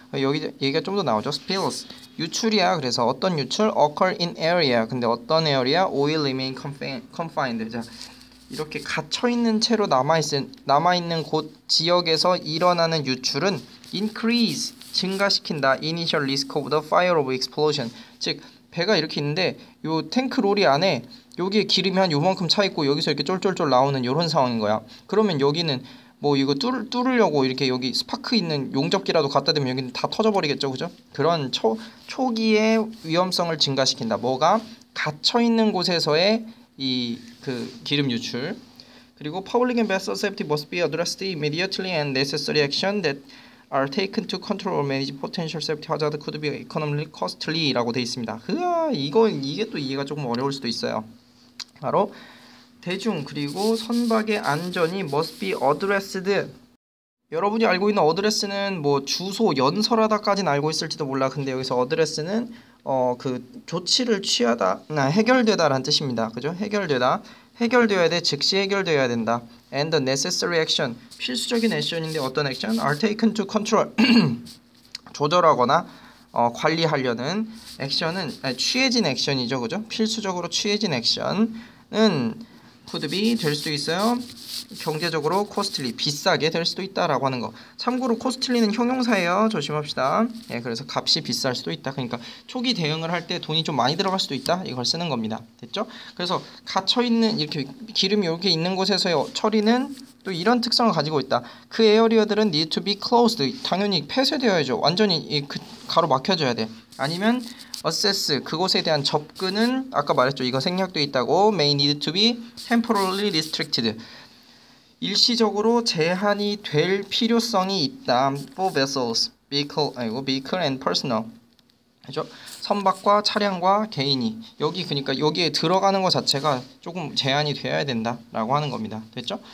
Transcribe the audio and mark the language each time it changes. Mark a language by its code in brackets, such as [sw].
[ko] 여기 얘기가 좀더 나오죠. spills 유출이야. 그래서 어떤 유출? occur in area. 근데 어떤 area? [en] oil remain confined. [ko] 자, 이렇게 갇혀 있는 채로 남아 있는 곳 지역에서 일어나는 유출은 increase. 증가시킨다. [en] Initial risk of the fire of explosion. [ko] 즉, 배가 이렇게 있는데, 요 탱크 로리 안에 여기에 기름이 한 요만큼 차있고, 여기서 이렇게 쫄쫄쫄 나오는 요런 상황인 거야. 그러면 여기는 뭐 이거 뚫으려고 이렇게 여기 스파크 있는 용접기라도 갖다 대면 여기는 다 터져버리겠죠, 그죠? 그런 초기의 위험성을 증가시킨다. 뭐가? 갇혀있는 곳에서의 이그 기름 유출. [en] 그리고 public and vessel safety must be addressed immediately and necessary action that are taken to control or manage potential safety hazard could be economically costly [ko] 라고 돼 있습니다. 흐아, 이게 또 이해가 조금 어려울 수도 있어요. 바로 대중 그리고 선박의 안전이 [en] must be addressed. [ko] 여러분이 알고 있는 address는 뭐 주소, 연설하다까지는 알고 있을지도 몰라. 근데 여기서 address는 그 조치를 취하다, 해결되다라는 뜻입니다. 그죠? 해결되다. 해결되어야 돼. 즉시 해결되어야 된다. [en] And the necessary action. [ko] 필수적인 액션인데 어떤 액션? [en] Are taken to control. [ko] 조절하거나 관리하려는 액션은 취해진 액션이죠. 그죠? 필수적으로 취해진 액션은 [en] could be [ko] 될 수도 있어요. 경제적으로 costly, 비싸게 될 수도 있다라고 하는 거. 참고로 costly는 형용사예요. 조심합시다. 예, 그래서 값이 비쌀 수도 있다. 그러니까 초기 대응을 할때 돈이 좀 많이 들어갈 수도 있다. 이걸 쓰는 겁니다. 됐죠? 그래서 갇혀 있는 이렇게 기름이 여기 있는 곳에서의 처리는 또 이런 특성을 가지고 있다. [en] 그 에어리어들은 need to be closed. [ko] 당연히 폐쇄되어야죠. 완전히 가로 막혀져야 돼. 아니면 assess 그곳에 대한 접근은 아까 말했죠. 이거 생략돼 있다고. [en] may need to be temporarily restricted. [ko] 일시적으로 제한이 될 필요성이 있다. [en] For vessels, vehicle, [ko] 아이고, [en] vehicle and personnel. [ko] 그죠? 선박과 차량과 개인이 여기 그러니까 여기에 들어가는 것 자체가 조금 제한이 되어야 된다라고 하는 겁니다. 됐죠?